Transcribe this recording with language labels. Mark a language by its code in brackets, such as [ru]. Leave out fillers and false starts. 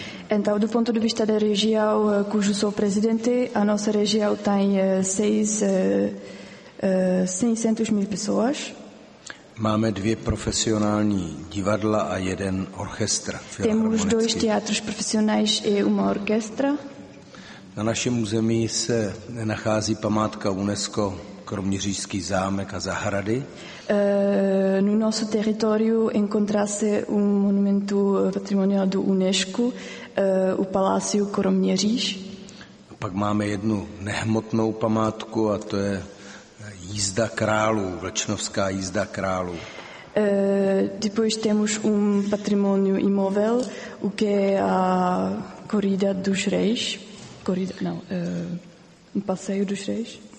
[pt] Então, do ponto de vista da região, cujo sou presidente, a nossa região tem 600 mil pessoas. [cs] Máme dvě profesionální divadla a jeden orchestr. [pt] Temos dois teatros profissionais e uma orquestra. [cs] Na našem území se nachází památka UNESCO, Kroměřížský zámek a zahrady. [pt] No nosso território encontra-se monumento patrimonial do UNESCO, o Palácio Kroměříž. [cs] Pak máme jednu nehmotnou památku a to je jízda králů, Vlčnovská jízda králů. [pt] Depois temos patrimonio imóvel, o que é a Corrida dos Reis. Corrida, não, Passeio dos Reis.